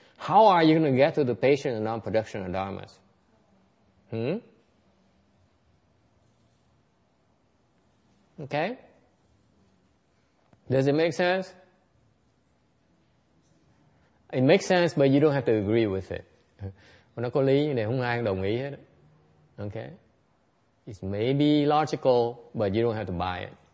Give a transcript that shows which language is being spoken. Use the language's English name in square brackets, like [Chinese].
[English] How are you going to get to the patient and non-production of dharmas? Okay. Does it make sense? It makes sense, but you don't have to agree with it. [Vietnamese] Nó có lý này, không ai đồng ý hết. [English] Okay. It's maybe logical, but you don't have to buy it.